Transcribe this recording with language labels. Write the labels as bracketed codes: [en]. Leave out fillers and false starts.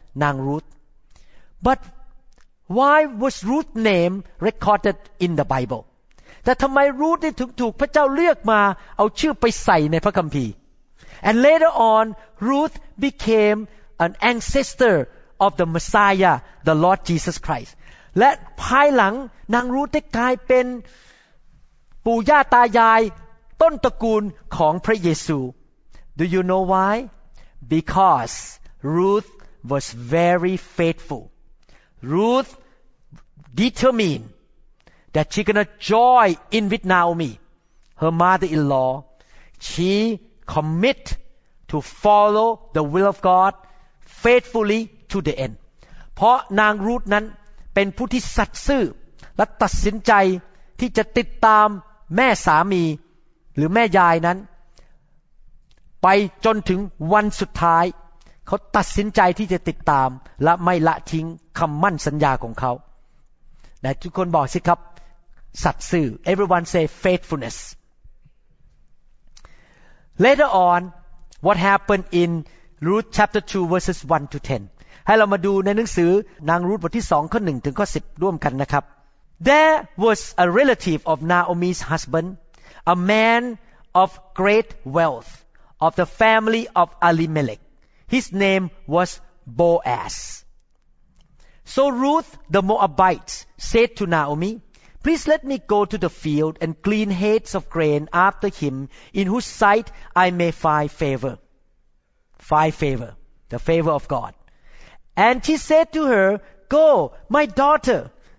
[en] นางรูธ but why was Ruth's name recorded in the Bible [th] แต่ทำไมรูธได้ถูกพระเจ้าเลือกมาเอาชื่อไปใส่ในพระคัมภีร์ [en] and later on Ruth became an ancestor of the Messiah the Lord Jesus Christ [th] และภายหลังนางรูธได้กลายเป็นปู่ย่าตายายต้นตระกูลของพระเยซู [en] Do you know why? Because Ruth was very faithful. Ruth determined that she's gonna join in with Naomi, her mother-in-law. She commit to follow the will of God faithfully to the end. [th] เพราะนางรูธนั้นเป็นผู้ที่สัตย์ซื่อและตัดสินใจที่จะติดตามแม่สามีหรือแม่ยายนั้นไปจนถึงวันสุดท้ายเขาตัดสินใจที่จะติดตามและไม่ละทิ้งคำมั่นสัญญาของเขาแต่ทุกคนบอกสิครับสัตย์ซื่อ [en] everyone say faithfulness later on what happened in Ruth chapter 2 verses 1 to 10 [th] ให้เรามาดูในหนังสือนางรูธบทที่2ข้อ1ถึงข้อ10ร่วมกันนะครับ [en] There was a relative of Naomi's husband, a man of great wealth, of the family of Elimelech. His name was Boaz. So Ruth the Moabite said to Naomi, Please let me go to the field and glean heads of grain after him in whose sight I may find favor. Find favor, the favor of God. And she said to her, Go, my daughter.